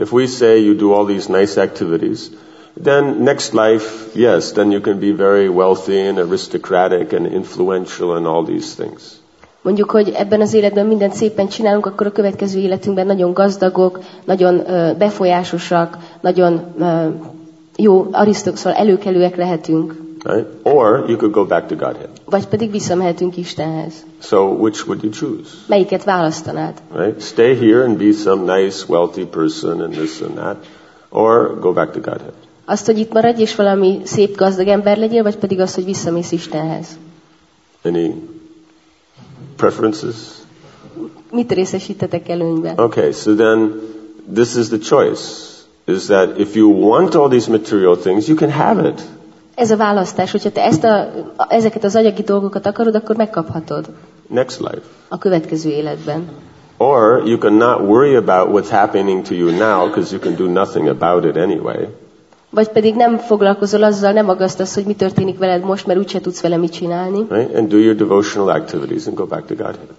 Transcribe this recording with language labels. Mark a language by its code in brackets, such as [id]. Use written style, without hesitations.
[en] If we say you do all these nice activities, then next life, yes, then you can be very wealthy and aristocratic and influential and all these things. [hu] Mondjuk, hogy ebben az életben mindent szépen csinálunk, akkor a következő életünkben nagyon gazdagok, nagyon befolyásosak, nagyon jó arisztokszal előkelőek lehetünk. [en] Right? Or you could go back to Godhead. [hu] Vagy pedig visszamehetünk Istenhez. [en] So which would you choose? [hu] Melyiket választanád? [en] Right? Stay here and be some nice wealthy person and this and that, or go back to Godhead. [hu] Azt, hogy itt maradj és valami szép gazdag ember legyél, vagy pedig azt, hogy visszamész Istenhez. [en] Any preferences? [hu] Mit részesítetek előnyben? [en] Okay, so then this is the choice: is that if you want all these material things, you can have it. [hu] Ez a választás, hogyha te ezeket az anyagi dolgokat akarod, akkor megkaphatod. [en] Next life. [hu] A következő életben. [en] Or you can not worry about what's happening to you now, because you can do nothing about it anyway. [hu] Vagy pedig nem foglalkozol azzal, nem aggasztasz, hogy mi történik veled most, mert úgyse tudsz vele mit csinálni. [en] Right? And do your devotional activities and go back to Godhead.